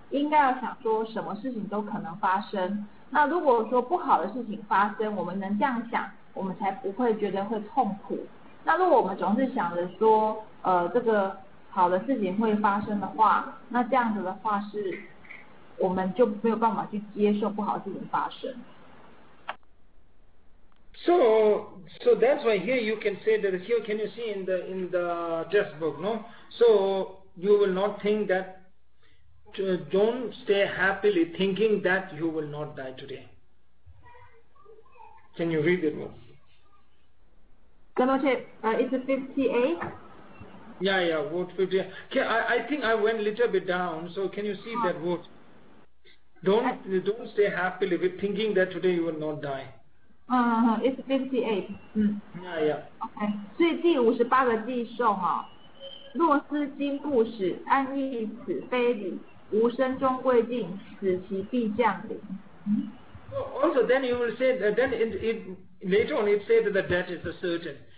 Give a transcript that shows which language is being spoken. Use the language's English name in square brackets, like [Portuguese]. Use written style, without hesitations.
[Chinese] 应该要想说什么事情都可能发生。那如果说不好的事情发生，我们能这样想，我们才不会觉得会痛苦。那如果我们总是想着说，这个好的事情会发生的话，那这样子的话是，我们就没有办法去接受不好的事情发生。 [English] So that's why here you can say that here can you see in the test book, no? So you will not think that, don't stay happily thinking that you will not die today. Can you read it more? it's 58. Yeah, yeah, vote 58. Okay, I think I went a little bit down, so can you see that vote? Don't stay happily with thinking that today you will not die. It's 58. Yeah, yeah. Okay. [Chinese] 所以第58个地受哈, 若思金故事, 安逸此非礼, 无声终归尽, 死其必降临。 [English] Also, then you will say that then it later on it says that the death is a certain.